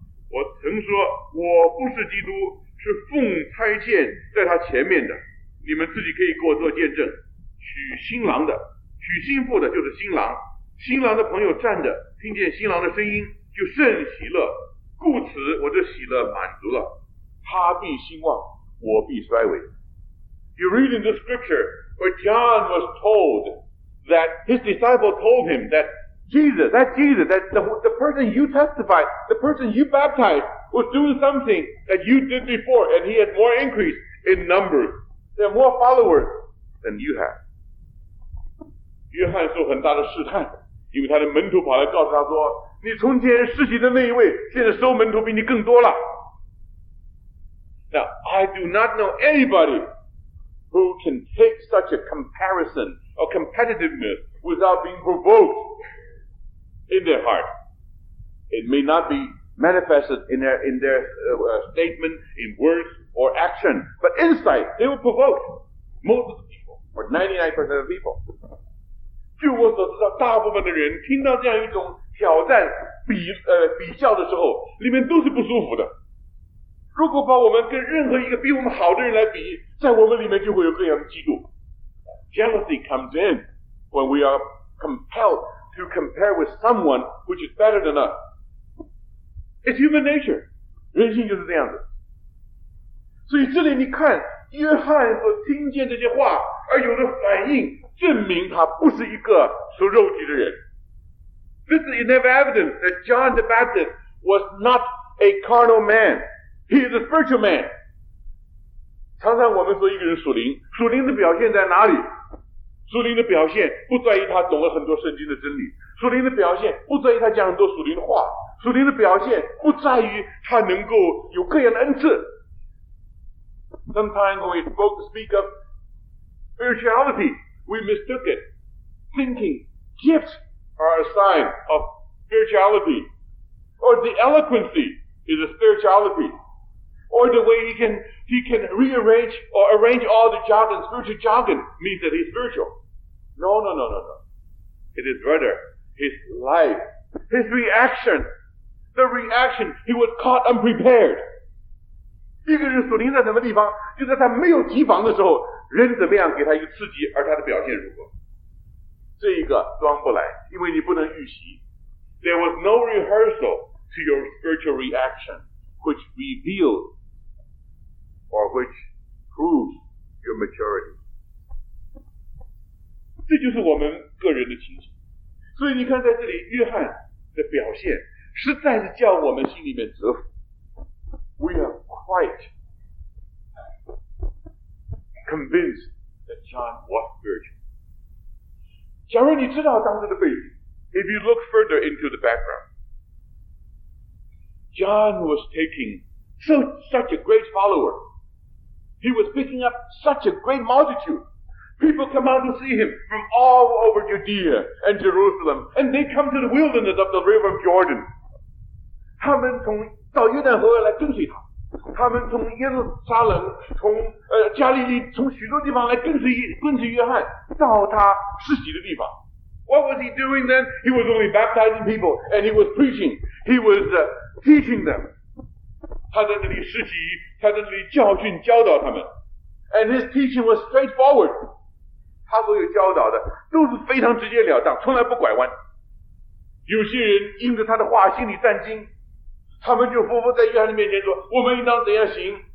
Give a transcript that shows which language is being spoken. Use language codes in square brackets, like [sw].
[zh] 我曾说，我不是基督，是奉差遣在他前面的。你们自己可以给我做见证。娶新郎的，娶新妇的，就是新郎。新郎的朋友站着，听见新郎的声音，就甚喜乐，故此我的喜乐满足了。他必兴旺，我必衰微。 [en] You read in the scripture where John was told that his disciple told him that Jesus, that the person you testified, the person you baptized was doing something that you did before, and he had more increase in numbers, there are more followers than you have. [zh] 约翰受很大的试探，因为他的门徒跑来告诉他说，你从前施洗的那一位，现在收门徒比你更多了。 [en] Now, I do not know anybody who can take such a comparison or competitiveness without being provoked in their heart. It may not be manifested in their statement, in words or action, but inside, they will provoke most of the people, or 99% of the people. [zh] 据我所知道，大部分的人听到这样一种挑战比较的时候，里面都是不舒服的。如果把我们跟任何一个比我们好的人来比，在我们里面就会有各样的嫉妒。 [en] Jealousy comes in when we are compelled to compare with someone which is better than us. It's human nature. [zh] 人性就是这样子。所以这里你看，约翰所听见这些话而有的反应，证明他不是一个属肉体的人。 [en] This is enough evidence that John the Baptist was not a carnal man. He is a spiritual man. [zh] 常常我们说一个人属灵，属灵的表现在哪里？属灵的表现不在于他懂了很多圣经的真理，属灵的表现不在于他讲很多属灵的话，属灵的表现不在于他能够有各样的恩赐。 [en] Sometimes when we speak of spirituality, we mistook it, thinking gifts are a sign of spirituality, or the eloquency is a spirituality, or the way he can rearrange or arrange all the jargon, spiritual jargon, means that he's spiritual. No. It is rather his life, his reaction, the reaction, he was caught unprepared. [zh] 一个人属灵在什么地方，就在他没有提防的时候，人怎么样给他一个刺激，而他的表现如何。这一个装不来，因为你不能预习。 [en] There was no rehearsal to your spiritual reaction, which revealed or which proves your maturity. [zh] 这就是我们个人的情形。所以你看在这里，约翰的表现实在是叫我们心里面折服。 [en] We are quite convinced that John was spiritual. [zh] 假如你知道当时的背景， [en] If you look further into the background, John was taking such a great follower. He was picking up such a great multitude. People come out to see him from all over Judea and Jerusalem, and they come to the wilderness of the river of Jordan. [zh] 他们从到约旦河来跟随他，他们从耶路撒冷，从加利利，从许多地方来跟随约翰到他施洗的地方。 [en] What was he doing then? He was only baptizing people, and he was preaching. He was teaching them. [zh] 他在那里施洗，他在那里教训教导他们。 [en] And his teaching was straightforward. [zh] 他所有教导的都是非常直截了当，从来不拐弯。有些人因着他的话心里战惊，他们就伏伏在约翰的面前说，我们应当怎样行。